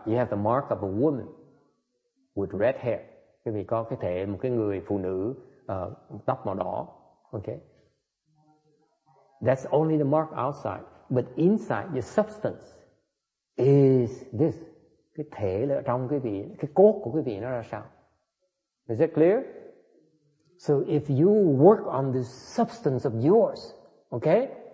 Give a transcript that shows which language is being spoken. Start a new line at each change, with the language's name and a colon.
English: You have the mark of a woman with red hair.
Vietnamese: Quý vị có cái thể một cái người phụ nữ tóc màu đỏ. Okay?
English: That's only the mark outside. But inside, your substance is this.
Vietnamese: Cái thể là trong cái vị, cái cốt của cái vị nó ra sao?
English: Is that clear? So if you work on this substance of yours, okay?